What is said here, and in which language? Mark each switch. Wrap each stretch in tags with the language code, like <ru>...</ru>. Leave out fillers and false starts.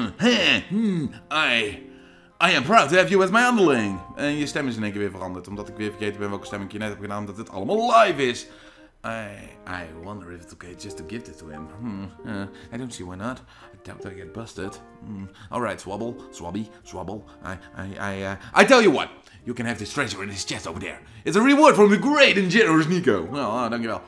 <en>I am proud to have you as my underling.</en> <nl>En je stem is in één keer weer veranderd. Omdat ik weer vergeten ben welke stem ik je net heb gedaan. Omdat het allemaal live is.</nl> <en>I wonder if it's okay just to give this to him. I don't see why not. I doubt I get busted. Alright, Swabble. Swabby. Swabble. I tell you what. You can have this treasure in his chest over there. It's a reward from the great and generous Nico. Well, dankjewel.</en>